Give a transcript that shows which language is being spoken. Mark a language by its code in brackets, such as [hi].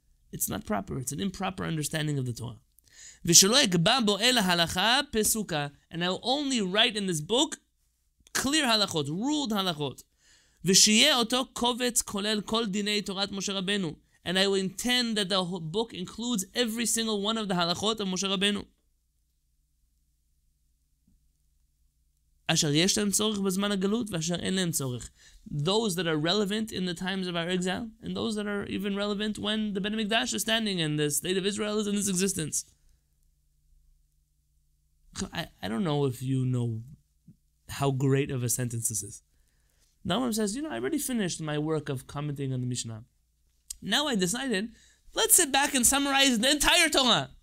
[en] It's not proper. It's an improper understanding of the Torah. [he] V'shelo yekba bo el halacha pesuka, [en] and I'll only write in this book clear halachot, ruled halachot. [he] V'shiyeh oto kovetz kolel kol dinei Torat Moshe Rabbeinu, [en] and I will intend that the book includes every single one of the halachot of Moshe Rabbeinu. [he] אשר יש להם צורך בזמן הגלות ואשר אין להם צורך. [en] Those that are relevant in the times of our exile and those that are even relevant when the Ben HaMikdash is standing and the state of Israel is in its existence. I don't know if you know how great of a sentence this is. Naaman says, you know, I already finished my work of commenting on the Mishnah. Now I decided, let's sit back and summarize the entire Torah.